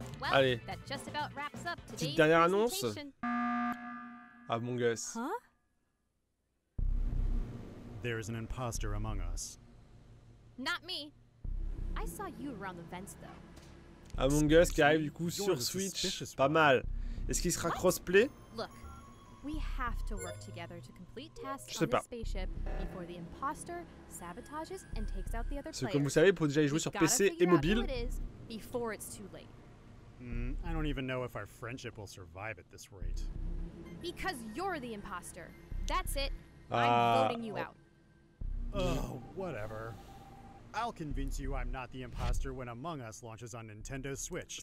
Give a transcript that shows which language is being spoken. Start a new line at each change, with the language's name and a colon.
French: Allez. Petite dernière annonce. Ah, mon gosse.
English: There is an imposter among us. Not me. I saw you around the vents though.
French: Among Us qui arrive du coup sur Switch, pas mal. Est-ce qu'il sera crossplay?
English: Look, we have to work together to complete tasks on the spaceship before the imposter sabotages and takes out the other players.
French: Comme vous savez, pour déjà y jouer sur PC et mobile.
English: Before it's too late. I don't even know if our friendship will survive at this rate. Because you're the imposter. That's it. I'm voting you out. Oh, whatever. I'll convince you I'm not the imposter when Among Us launches on Nintendo Switch.